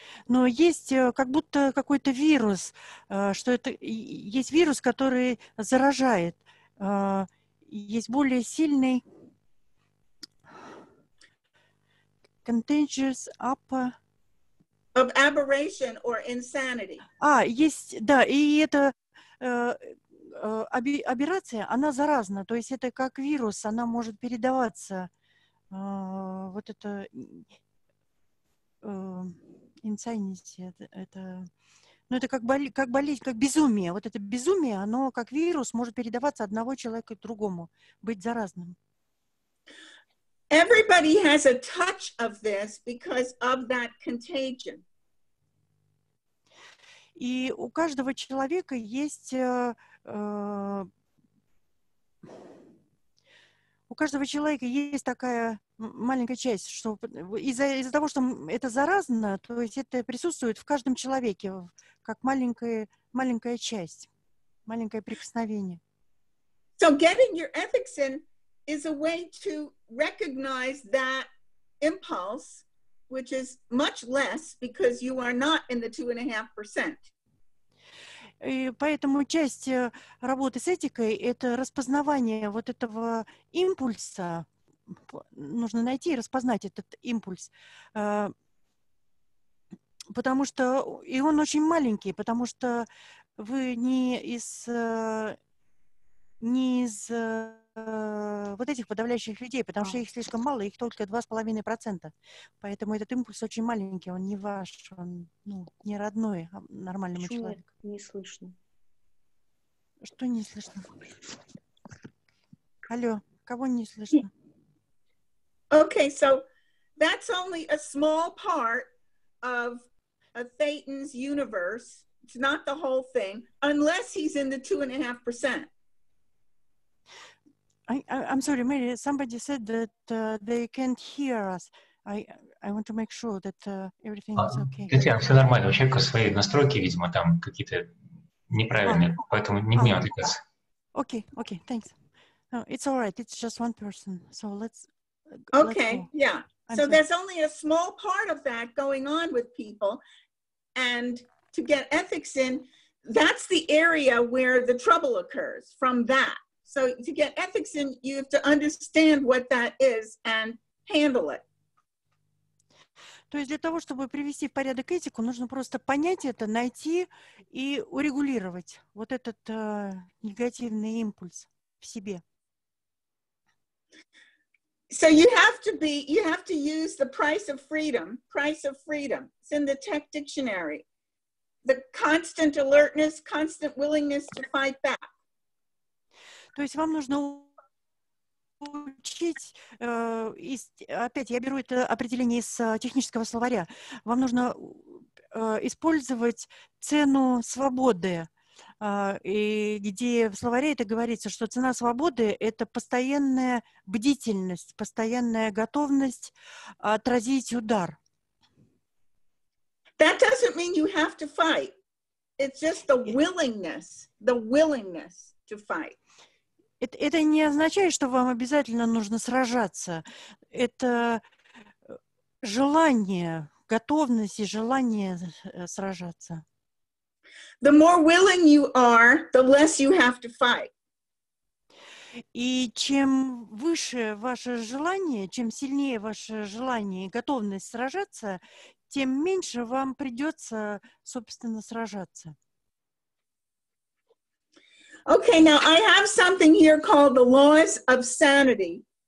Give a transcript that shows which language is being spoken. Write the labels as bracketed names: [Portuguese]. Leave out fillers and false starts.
[Russian] Но есть как будто какой-то вирус, что это есть вирус, который заражает. Есть более сильный contagious [English] of aberration or insanity. [Russian] А, есть, да, и это аберрация, она заразна, то есть это как вирус, она может передаваться. Вот это insanity, это как болезнь, как безумие. Вот это безумие, оно как вирус может передаваться одного человека к другому, быть заразным. [English] Everybody has a touch of this because of that contagion. [Russian] И у каждого человека есть у каждого человека есть такая маленькая часть, что из-за того, что это заразно, то есть это присутствует в каждом человеке, как маленькая часть, маленькое прикосновение. [English] So getting your ethics in is a way to recognize that impulse, which is much less because you are not in the 2.5%. [Russian] И поэтому часть работы с этикой — это распознавание вот этого импульса. Нужно найти и распознать этот импульс. Потому что... И он очень маленький, потому что вы не из вот этих подавляющих людей, потому что их слишком мало, их только 2.5%. Поэтому этот импульс очень маленький, он не ваш, он, ну, не родной, а нормальному человеку. Не слышно. Что не слышно? Алло, кого не слышно? [English] Okay, so that's only a small part of a Thetan's universe. It's not the whole thing, unless he's in the 2.5%. I'm sorry, Mary, somebody said that they can't hear us. I want to make sure that everything is okay. [Russian] Татьяна, все нормально. У человека свои настройки, видимо, там какие-то неправильные, поэтому не мне отвлекаться. [English] Okay, thanks. No, it's all right, it's just one person. So let's go. Okay, yeah. There's only a small part of that going on with people. And to get ethics in, that's the area where the trouble occurs from that. So to get ethics in, you have to understand what that is and handle it. [Russian] То есть для того, чтобы привести в порядок этику, нужно просто понять это, найти и урегулировать вот этот негативный импульс в себе. [English] So you have to use the price of freedom, price of freedom. It's in the tech dictionary. The constant alertness, constant willingness to fight back. [Russian] То есть вам нужно учить, опять я беру это определение из технического словаря, вам нужно использовать цену свободы, и где в словаре это говорится, что цена свободы – это постоянная бдительность, постоянная готовность отразить удар. [English] That doesn't mean you have to fight. It's just the willingness to fight. [Russian] Это не означает, что вам обязательно нужно сражаться. Это желание, готовность и желание сражаться. [English] The more willing you are, the less you have to fight. [Russian] И чем выше ваше желание, чем сильнее ваше желание и готовность сражаться, тем меньше вам придется, собственно, сражаться. [English] Okay, now I have something here called the laws of sanity.